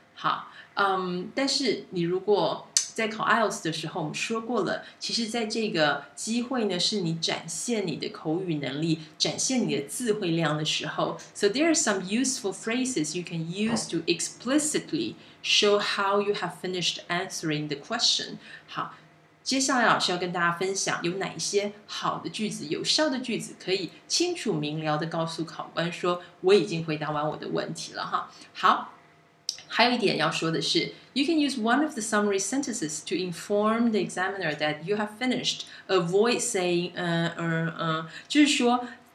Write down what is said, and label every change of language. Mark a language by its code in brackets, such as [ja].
[zh] 好但是你如果在考 IELTS 的时候，我们说过了，其实在这个机会呢，是你展现你的口语能力，展现你的词汇量的时候。 [en] So there are some useful phrases you can use to explicitly show how you have finished answering the question。 [zh] 好，接下来老师要跟大家分享有哪一些好的句子，有效的句子可以清楚明了的告诉考官说我已经回答完我的问题了哈。 [en] 好， [zh] 还有一点要说的是 [en] You can use one of the summary sentences to inform the examiner that you have finished. Avoid saying [zh] 就是说